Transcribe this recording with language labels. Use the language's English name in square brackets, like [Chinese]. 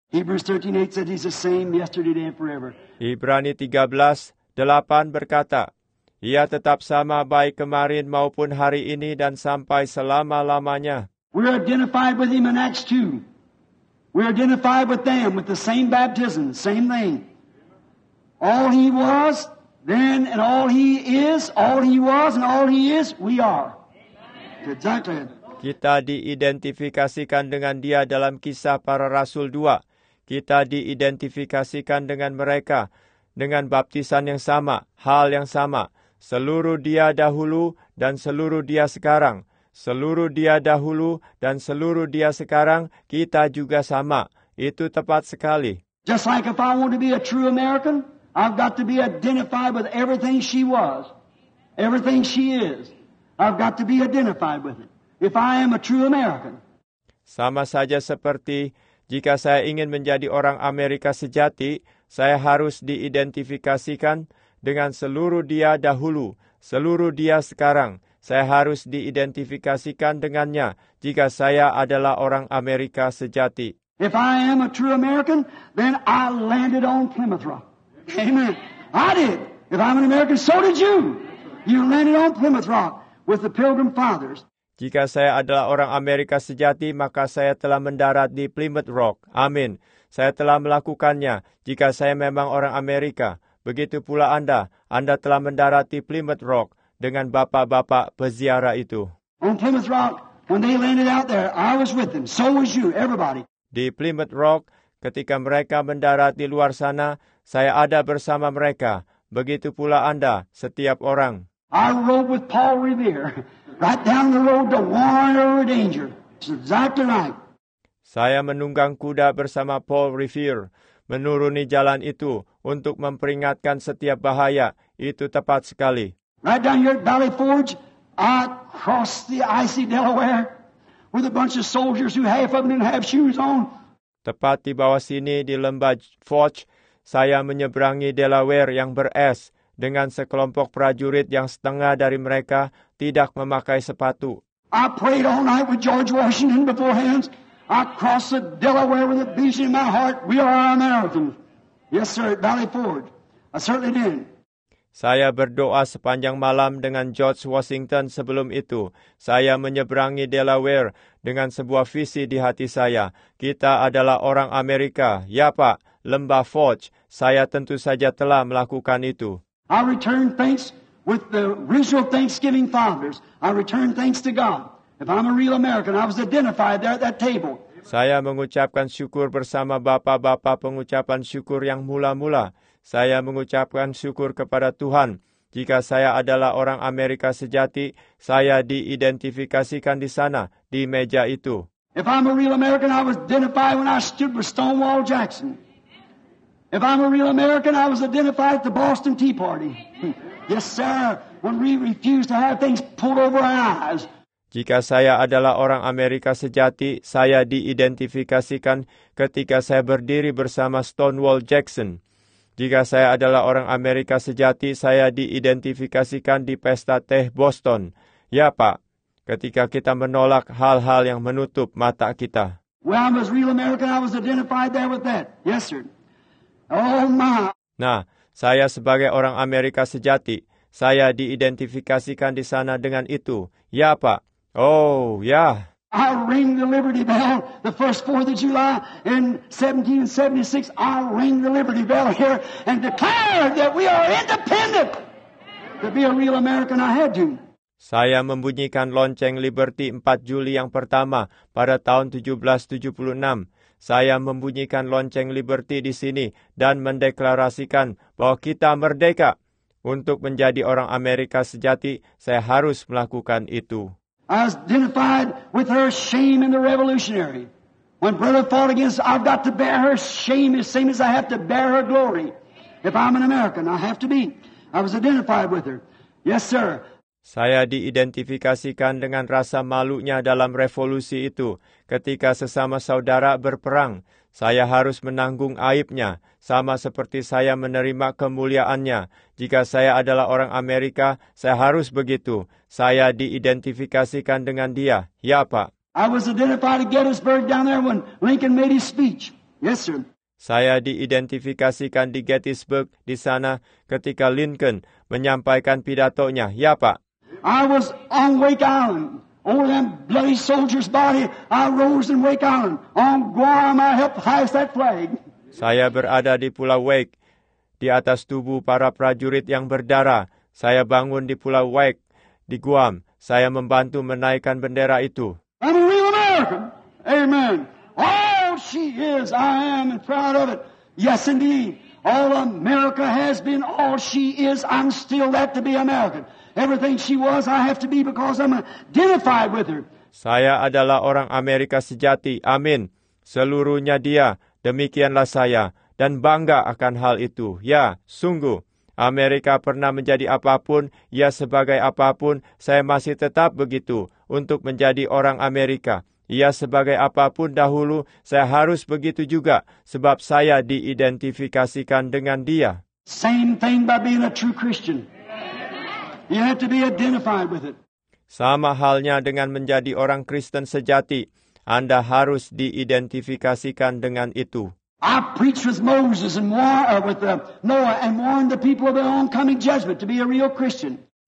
[English] Hebrews 13:8 said he's the same yesterday, today, and forever. [Indonesian] Ibrani 13:8 berkata, ia tetap sama baik kemarin maupun hari ini dan sampai selama-lamanya. [English] We're identified with him in Acts 2. We're identified with them with the same baptism, same thing. All he was then and all he was and all he is, we are. Exactly. [Indonesian] Kita diidentifikasikan dengan dia dalam Kisah Para Rasul 2. Kita diidentifikasikan dengan mereka dengan baptisan yang sama, hal yang sama. Seluruh dia dahulu dan seluruh dia sekarang. Seluruh dia dahulu dan seluruh dia sekarang, kita juga sama. Itu tepat sekali. [English] Just like if I want to be a true American, I've got to be identified with everything she was, everything she is. I've got to be identified with it. If I am a true American. [Indonesian] Sama saja seperti jika saya ingin menjadi orang Amerika sejati, saya harus diidentifikasikan dengan seluruh dia dahulu, seluruh dia sekarang. Saya harus diidentifikasikan dengannya jika saya adalah orang Amerika sejati. [English] If I am a true American, then I landed on Plymouth Rock. Amen. I did. If I'm an American, so did you. You landed on Plymouth Rock with the Pilgrim Fathers. [Indonesian] Jika saya adalah orang Amerika sejati, maka saya telah mendarat di Plymouth Rock. Amin. Saya telah melakukannya jika saya memang orang Amerika. Begitu pula Anda, Anda telah mendarat di Plymouth Rock dengan bapak-bapak peziarah itu. [English] On Plymouth Rock, when they landed out there, I was with them. So was you, everybody. [Indonesian] Di Plymouth Rock, ketika mereka mendarat di luar sana, saya ada bersama mereka. Begitu pula Anda, setiap orang. [English] I rode with Paul Revere, right down the road to warn over danger. It's exactly right. [Indonesian] Saya menunggang kuda bersama Paul Revere, menuruni jalan itu untuk memperingatkan setiap bahaya. Itu tepat sekali. [English] Right down here at Valley Forge, I crossed the icy Delaware with a bunch of soldiers who half of them didn't have shoes on. [Indonesian] Tepat di bawah sini di lembah Forge, saya menyeberangi Delaware yang beres dengan sekelompok prajurit yang setengah dari mereka tidak memakai sepatu. [English] I prayed all night with George Washington beforehand. I crossed the Delaware with a beating in my heart. We are Americans. Yes, sir, at Valley Forge. I certainly did. [Indonesian] Saya berdoa sepanjang malam dengan George Washington sebelum itu. Saya menyeberangi Delaware dengan sebuah visi di hati saya. Kita adalah orang Amerika. Ya, Pak, Lembah Forge. Saya tentu saja telah melakukan itu. [English] I return thanks with the original Thanksgiving fathers. I return thanks to God. If I'm a real American, I was identified there at that table. [Indonesian] Saya mengucapkan syukur bersama bapak-bapak pengucapan syukur yang mula-mula. Saya mengucapkan syukur kepada Tuhan. Jika saya adalah orang Amerika sejati, saya diidentifikasikan di sana, di meja itu. [English] If I'm a real American, I was identified when I stood with Stonewall Jackson. If I'm a real American, I was identified at the Boston Tea Party. Yes, sir, when we refused to have things pulled over our eyes. [Indonesian] Jika saya adalah orang Amerika sejati, saya diidentifikasikan ketika saya berdiri bersama Stonewall Jackson. Jika saya adalah orang Amerika sejati, saya diidentifikasikan di pesta teh Boston. Ya, Pak, ketika kita menolak hal-hal yang menutup mata kita. [English] Well, I'm a real American. I was identified there with that. Yes, sir. Oh, my. [Indonesian] Nah, saya sebagai orang Amerika sejati, saya diidentifikasikan di sana dengan itu. Ya, Pak. Oh, [English] yeah. I ring the Liberty Bell the first 4th of July in 1776. I ring the Liberty Bell here and declare that we are independent. To be a real American, I had to. [Indonesian] Saya membunyikan lonceng Liberty 4 Juli yang pertama pada tahun 1776. Saya membunyikan lonceng Liberty di sini dan mendeklarasikan bahwa kita merdeka. Untuk menjadi orang Amerika sejati, saya harus melakukan itu. [English] I was identified with her shame in the revolutionary. When brother fought against, I've got to bear her shame the same as I have to bear her glory. If I'm an American, I have to be. I was identified with her. Yes, sir. [Indonesian] Saya diidentifikasikan dengan rasa malunya dalam revolusi itu. Ketika sesama saudara berperang, saya harus menanggung aibnya, sama seperti saya menerima kemuliaannya. Jika saya adalah orang Amerika, saya harus begitu. Saya diidentifikasikan dengan dia. Ya, Pak. [English] I was identified at Gettysburg down there when Lincoln made his speech. Yes, sir. [Indonesian] Saya diidentifikasikan di Gettysburg di sana ketika Lincoln menyampaikan pidatonya. Ya, Pak. [English] I was on Wake Island. Over that bloody soldier's body, I rose in Wake Island. On Guam, I helped hoist that flag. [Indonesian] Saya berada di Pulau Wake, di atas tubuh para prajurit yang berdarah. Saya bangun di Pulau Wake, di Guam. Saya membantu menaikkan bendera itu. [English] I'm a real American. Amen. Oh, she is. I am and proud of it. Yes, indeed. All America has been, all she is, I'm still that to be American. Everything she was, I have to be because I'm identified with her. [Indonesian] Saya adalah orang Amerika sejati. Amin. Seluruhnya dia, demikianlah saya. Dan bangga akan hal itu. Ya, sungguh. Amerika pernah menjadi apapun, ya sebagai apapun, saya masih tetap begitu untuk menjadi orang Amerika. Ya sebagai apapun dahulu, saya harus begitu juga sebab saya diidentifikasikan dengan dia. [English] Same thing by being a true Christian. You have to be identified with it. [Indonesian] Sama halnya dengan menjadi orang Kristen sejati, Anda harus diidentifikasikan dengan itu. [English] I preached with Moses and Noah and warned the people of the oncoming judgment to be a real Christian.